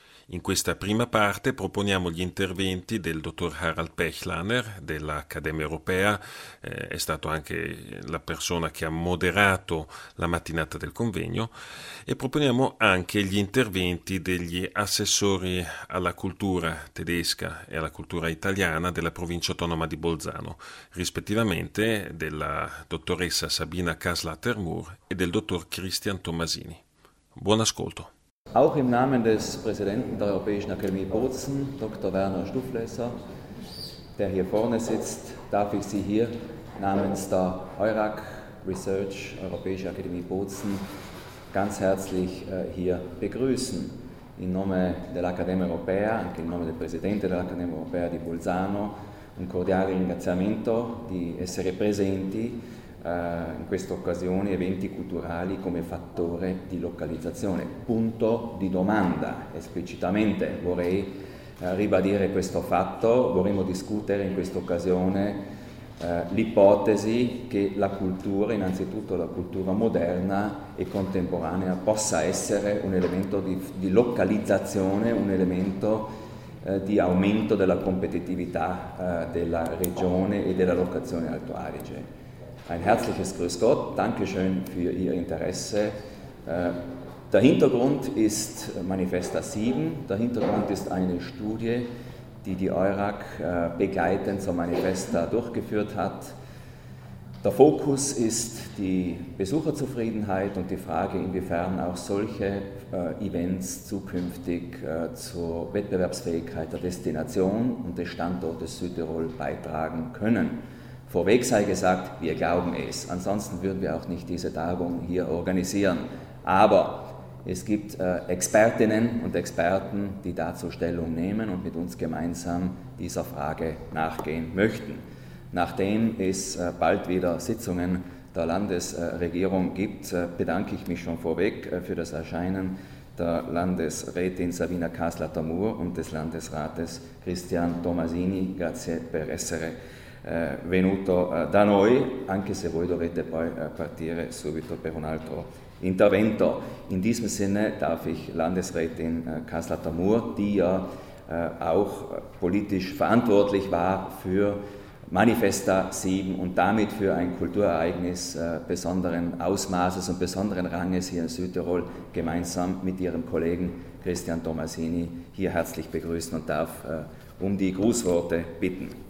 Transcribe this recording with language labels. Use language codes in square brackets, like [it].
[it] In questa prima parte proponiamo gli interventi del dottor Harald Pechlaner dell'Accademia Europea, è stato anche la persona che ha moderato la mattinata del convegno, e proponiamo anche gli interventi degli assessori alla cultura tedesca e alla cultura italiana della provincia autonoma di Bolzano, rispettivamente della dottoressa Sabina Kaslatter-Murr e del dottor Christian Tomasini. Buon ascolto. [de] Auch im Namen des Präsidenten der Europäischen Akademie Bozen, Dr. Werner Stufflesser, der hier vorne sitzt, darf ich Sie hier namens der EURAC Research, Europäische Akademie Bozen, ganz herzlich hier begrüßen. [it] In nome dell'Accademia Europea, anche in nome del Presidente dell'Accademia Europea di Bolzano, un cordiale ringraziamento di essere presenti in questa occasione, eventi culturali come fattore di localizzazione. Punto di domanda, esplicitamente vorrei ribadire questo fatto, vorremmo discutere in questa occasione l'ipotesi che la cultura, innanzitutto la cultura moderna e contemporanea, possa essere un elemento di localizzazione, un elemento di aumento della competitività della regione e della locazione Alto Adige. [de] Ein herzliches Grüß Gott, Dankeschön für Ihr Interesse. Der Hintergrund ist Manifesta 7. Der Hintergrund ist eine Studie, die die EURAC begleitend zur Manifesta durchgeführt hat. Der Fokus ist die Besucherzufriedenheit und die Frage, inwiefern auch solche Events zukünftig zur Wettbewerbsfähigkeit der Destination und des Standortes Südtirol beitragen können. Vorweg sei gesagt, wir glauben es. Ansonsten würden wir auch nicht diese Tagung hier organisieren. Aber es gibt Expertinnen und Experten, die dazu Stellung nehmen und mit uns gemeinsam dieser Frage nachgehen möchten. Nachdem es bald wieder Sitzungen der Landesregierung gibt, bedanke ich mich schon vorweg für das Erscheinen der Landesrätin Sabina Kaslatter-Murr und des Landesrates Christian Tomasini. [it] Grazie per essere venuto da noi, anche se voi dovete poi partire subito per un altro intervento. [de] In diesem Sinne darf ich Landesrätin Kaslatter-Murr, die ja auch politisch verantwortlich war für Manifesta 7 und damit für ein Kulturereignis besonderen Ausmaßes und besonderen Ranges hier in Südtirol, gemeinsam mit ihrem Kollegen Christian Tomasini hier herzlich begrüßen und darf um die Grußworte bitten.